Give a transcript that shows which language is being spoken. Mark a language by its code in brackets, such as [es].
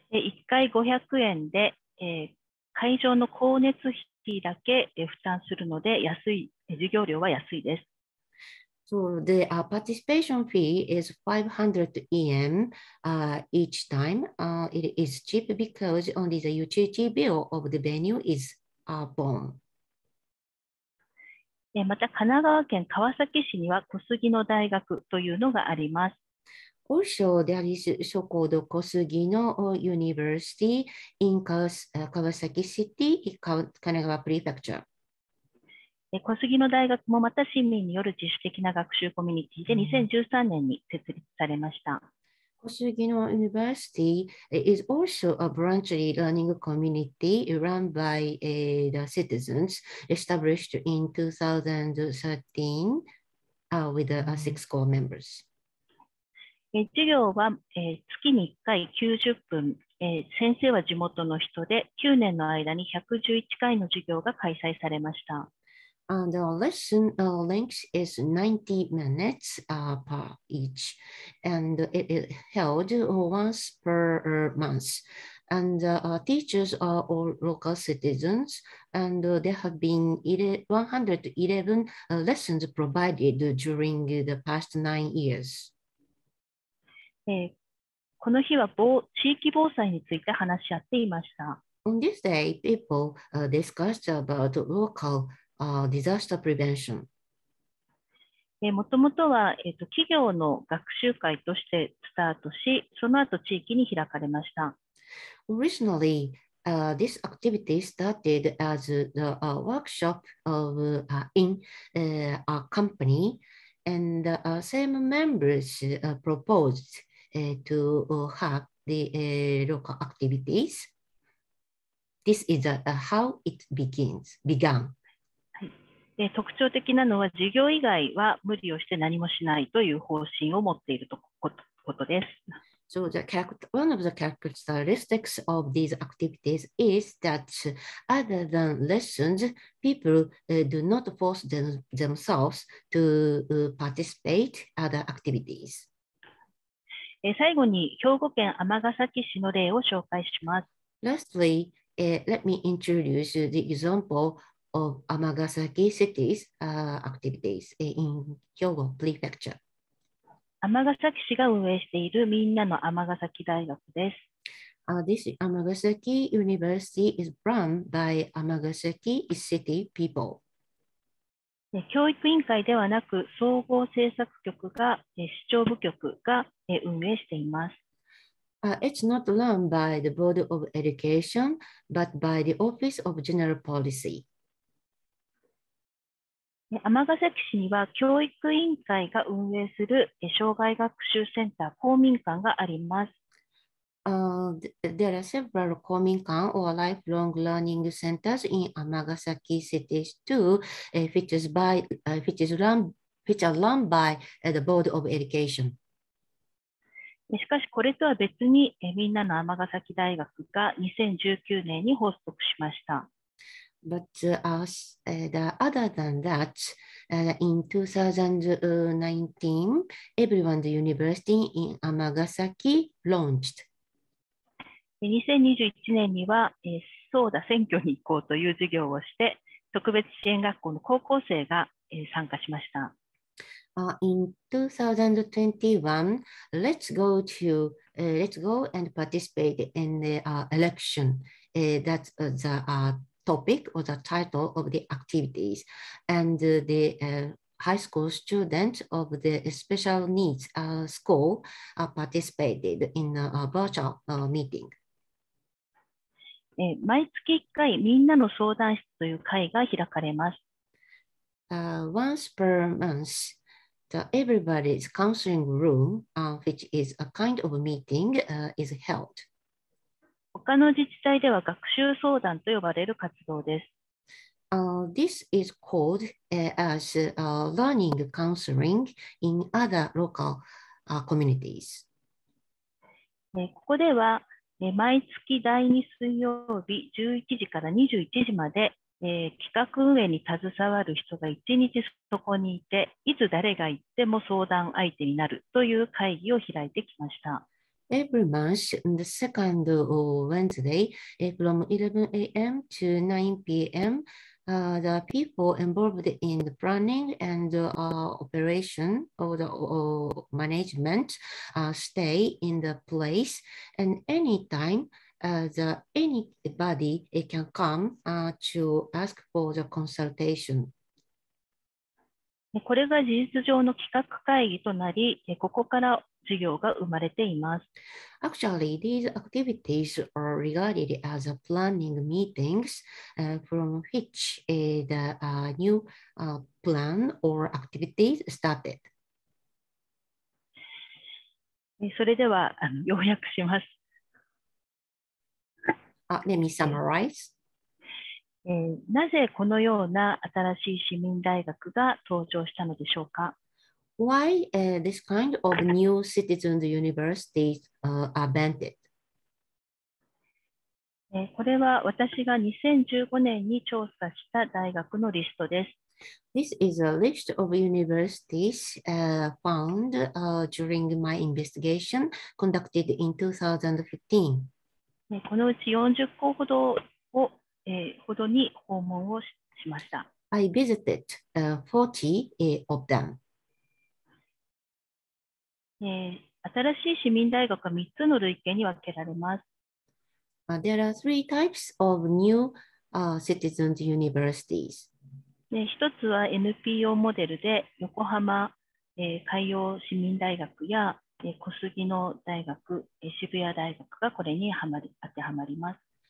[ja] 1回500円で、会場の光熱費だけ、負担するので安い、授業料は安いです。 [en] So the participation fee is 500 yen each time. It is cheap because only the utility bill of the venue is borne. [ja] また神奈川県川崎市には小杉の大学というのがあります。 [en] Also, there is so-called 小杉の University in 川崎 City, 神奈川 Prefecture。 [ja] 小杉の大学もまた市民による自主的な学習コミュニティで2013年に設立されました。 [en] 小杉の University is also a branch learning community run by the citizens established in 2013 with six core members. [ja] 授業は月に1回90分、先生は地元の人で9年の間に111回の授業が開催されました。 [en] And the lesson length is 90 minutes per each, and it is held once per month. And teachers are all local citizens, and there have been 111 lessons provided during the past 9 years. [ja] この日は地域防災について話し合っていました。 [en] On this day, people discussed about localDisaster prevention. [ja] もともとは、企業の学習会としてスタートし、その後地域に開かれました。 [en] Originally, this activity started as the workshop of, in a company, and the same members proposed to have the local activities. This is how it began. [ja] 特徴的なのは授業以外は無理をして何もしないという方針を持っているということです。 [en] So the character, one of the characteristics of these activities is that other than lessons, people do not force themselves to participate other activities. [ja] 最後に兵庫県尼崎市の例を紹介します。 [en] Lastly, let me introduce the example of Amagasaki City's activities in Hyogo Prefecture. [ja] Amagasaki 市が運営しているみんなの Amagasaki 大学です。 [en] This Amagasaki University is run by Amagasaki City People. [ja] 教育委員会ではなく総合政策局が市長部局が運営しています。 [en] It's not run by the Board of Education, but by the Office of General Policy. [ja] 尼崎市には教育委員会が運営する障害学習センター公民館があります。 [en] There are several 公民館 or lifelong learning centers in 尼崎 cities too, which are run by the Board of Education. [ja] しかしこれとは別に、みんなの尼崎大学が2019年に発足しました。 [en] But other than that, in 2019, Everyone's University in 尼崎 launched. [ja] 2021年には、そうだ選挙に行こうという授業をして、特別支援学校の高校生が、参加しました。 [en] In 2021, let's go and participate in the election. That's the topic or the title of the activities. And the high school students of the special needs school participated in a virtual meeting. [ja] 毎月1回みんなの相談室という会が開かれます。 [en] Once per month,The everybody's counseling room, which is a kind of meeting, is held. [ja] 他の自治体では学習相談と呼ばれる活動です。 [en] This is called learning counseling in other local communities. [ja] ここでは毎月第2水曜日11時から21時まで企画運営に携わる人が一日そこにいて、いつ誰が行っても相談相手になるという会議を開いてきました。 [en] Every month, the second Wednesday, from 11 a.m. to 9 p.m., the people involved in the planning and operation or the management stay in the place and anytime. Anybody can come to ask for the consultation. [ja] これが事実上の企画会議となり、ここから授業が生まれています。 [en] Actually, these activities are regarded as a planning meetings from which the new plan or activities started. [ja] それでは要約します。 [en] Let me summarize. [ja] なぜこのような新しい市民大学が登場したのでしょうか? [en] Why this kind of new citizens university invented? [ja] これは私が2015年に調査した大学のリストです。 [en] This is a list of universities found during my investigation conducted in 2015. [ja] このうち40校ほどを、ほどに訪問をしました。 [en] I visited 40 of them. [ja] 新しい市民大学は3つの類型に分けられます。 [en] There are three types of new citizens universities. [ja] 一つは NPO モデルで横浜、海洋市民大学や小杉の大学、渋谷大学がこれに当てはまります。